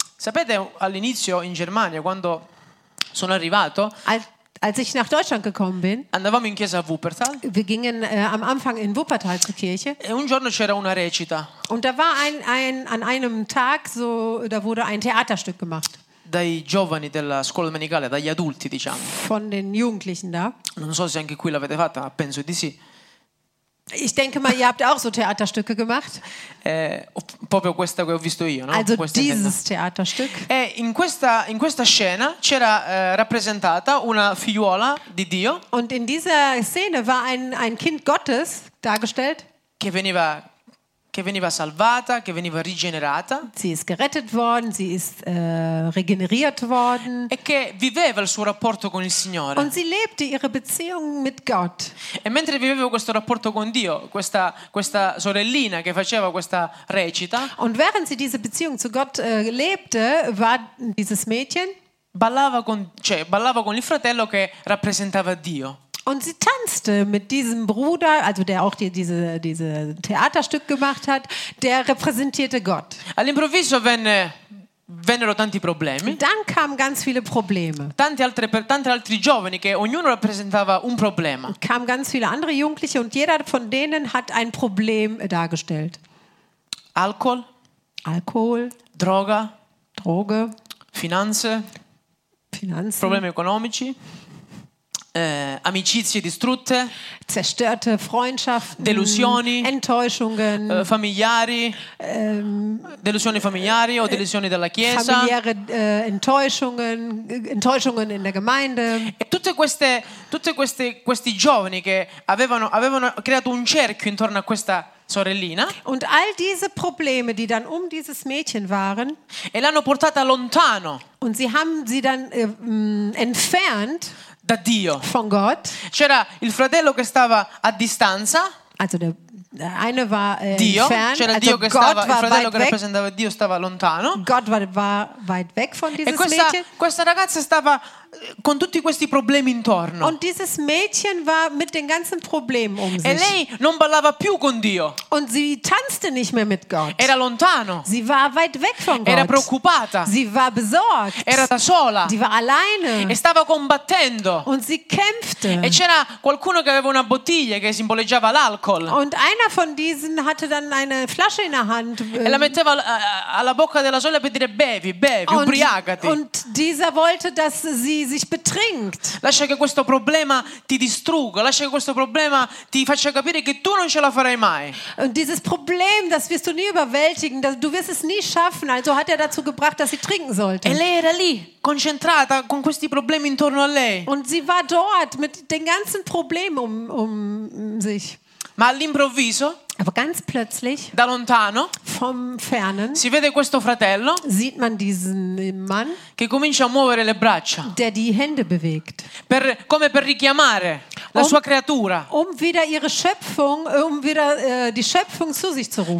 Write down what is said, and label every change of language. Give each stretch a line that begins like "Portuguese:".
Italian: Sapete, all'inizio in Germania, quando sono arrivato,
German: als ich nach Deutschland gekommen bin,
Italian: andavamo in chiesa a Wuppertal.
German: Wir gingen am Anfang in Wuppertal zur Kirche.
Italian: E un giorno c'era una recita.
German: Und da war an einem Tag so, da wurde ein Theaterstück gemacht.
Italian: Dai giovani della scuola domenicale, dagli adulti, diciamo.
German: Von den Jugendlichen da.
Italian: Non so se anche qui l'avete fatta, ma penso di sì.
German: Ich denke mal, ihr habt auch so Theaterstücke gemacht.
Italian: Proprio questa che ho visto io, no?
German: Also dieses Theaterstück.
Italian: In questa scena c'era rappresentata una figliuola di Dio.
German: Und in dieser Szene war ein Kind Gottes dargestellt.
Italian: Che veniva salvata, che veniva rigenerata.
German: Sie ist gerettet worden, sie ist regeneriert worden.
Italian: E che viveva il suo rapporto con il Signore.
German: Und sie lebte ihre Beziehung mit Gott.
Italian: E mentre viveva questo rapporto con Dio, questa sorellina che faceva questa recita.
German: Und während sie diese Beziehung zu Gott lebte, war dieses Mädchen.
Italian: Ballava con il fratello che rappresentava Dio.
German: Und sie tanzte mit diesem Bruder, also der auch diese Theaterstück gemacht hat, der repräsentierte Gott.
Italian: All'improvviso vennero tanti problemi.
German: Dann kamen ganz viele Probleme.
Italian: Tanti altri giovani che ognuno rappresentava un problema.
German: Kamen ganz viele andere Jugendliche und jeder von denen hat ein Problem dargestellt. Alkohol.
Italian: Droga. Finanze.
German: Finanzen.
Italian: Problemi economici. amicizie distrutte,
German: zerstörte Freundschaften,
Italian: delusioni,
German: Enttäuschungen,
Italian: familiari, delusioni familiari o delusioni della chiesa,
German: familiäre Enttäuschungen, Enttäuschungen in der Gemeinde.
Italian: E tutte queste giovani che avevano creato un cerchio intorno a questa sorellina.
German: Und all diese Probleme, die dann um dieses Mädchen waren,
Italian: e l'hanno portata lontano.
German: Und sie haben sie dann entfernt.
Italian: Da Dio.
German: Von Gott.
Italian: C'era il fratello che stava a distanza.
German: Also der eine war
Italian: Dio.
German: Entfernt.
Italian: C'era
German: also
Italian: Dio che
German: Gott
Italian: stava, il fratello che rappresentava Dio stava lontano.
German: Gott war weit weg von dieses
Italian: e questa,
German: Mädchen.
Italian: Questa ragazza stava con tutti questi problemi intorno.
German: Und dieses Mädchen war mit den ganzen Problemen um sich.
Italian: E lei non ballava più con Dio.
German: Und sie tanzte nicht mehr mit Gott.
Italian: Era lontano.
German: Sie war weit weg von Gott.
Italian: Era preoccupata.
German: Sie war besorgt.
Italian: Era da sola.
German: Sie war alleine.
Italian: E stava combattendo.
German: Und sie kämpfte.
Italian: E c'era qualcuno che aveva una bottiglia che simboleggiava l'alcol.
German: Und einer von diesen hatte dann eine Flasche in der Hand.
Italian: E la metteva alla bocca della sorella per dire bevi, bevi, ubriacati.
German: Und dieser wollte, dass sie sich betrinkt.
Italian: Lascia che questo problema ti distrugga, lascia che questo problema ti faccia capire che tu non ce la farai mai.
German: Und dieses Problem, das wirst du nie überwältigen, du wirst es nie schaffen, also hat er dazu gebracht, dass sie trinken sollte.
Italian: E lei era lì, concentrata con questi problemi intorno a lei.
German: Und sie war dort mit den ganzen Problemen um sich.
Italian: Ma all'improvviso,
German: aber ganz plötzlich,
Italian: da lontano,
German: vom Fernen,
Italian: si vede questo fratello,
German: sieht man diesen Mann,
Italian: che comincia a muovere le braccia,
German: der die Hände bewegt,
Italian: per, come per richiamare la sua creatura,
German: um wieder ihre Schöpfung, um wieder die Schöpfung zu sich zu rufen,